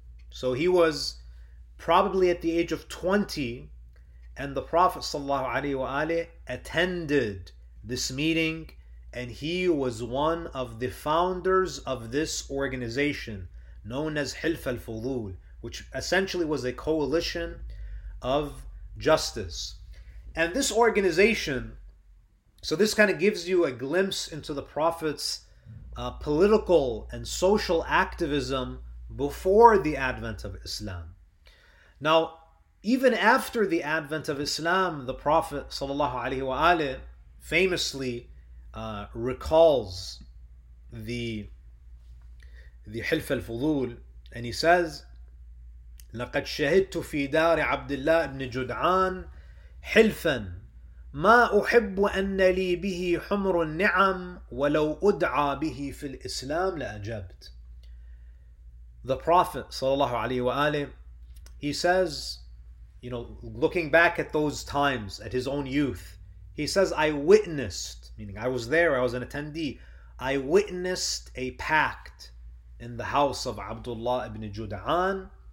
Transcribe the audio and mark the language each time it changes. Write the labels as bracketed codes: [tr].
[en] So he was probably at the age of 20 and the Prophet sallallahu alaihi wa alihi attended this meeting and he was one of the founders of this organization known as Hilf al-Fudul, which essentially was a coalition of justice. And this organization, so this kind of gives you a glimpse into the Prophet's political and social activism before the advent of Islam. Now, even after the advent of Islam, the Prophet sallallahu alaihi wa alihi famously recalls the Hilf al-Fudul, and he says, [ar] لَقَدْ شَهِدْتُ فِي دَارِ عَبْدِ اللَّهِ بْنِ جُدْعَانِ حِلْفًا مَا أُحِبُّ أَنَّ لِي بِهِ حُمْرُ النِّعَمْ وَلَوْ أُدْعَى بِهِ فِي الْإِسْلَامِ لَأَجَبْتْ. [en] The Prophet sallallahu alaihi wa alihi, he says, you know, looking back at those times, at his own youth, He says, I witnessed, meaning I was there, I was an attendee. I witnessed a pact in the house of Abdullah ibn Jud'an.